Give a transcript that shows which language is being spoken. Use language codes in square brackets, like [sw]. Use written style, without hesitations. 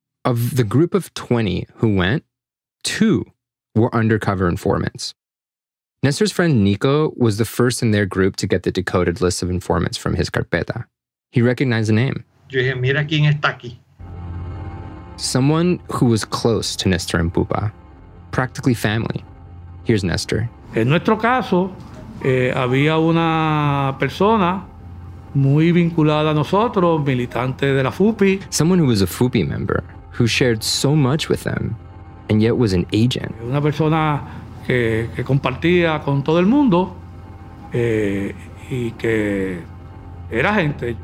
[en] Of the group of 20 who went, two were undercover informants. Nestor's friend Nico was the first in their group to get the decoded list of informants from his carpeta. He recognized the name. [es] Yo dije, mira quién está aquí. [en] Someone who was close to Nestor and Pupa, practically family. Here's Nestor. [es] En nuestro caso, había una persona muy vinculada a nosotros, militante de la FUPI. [en] Someone who was a FUPI member, who shared so much with them, and yet was an agent. [es] Una persona que compartía con todo el mundo y que era gente.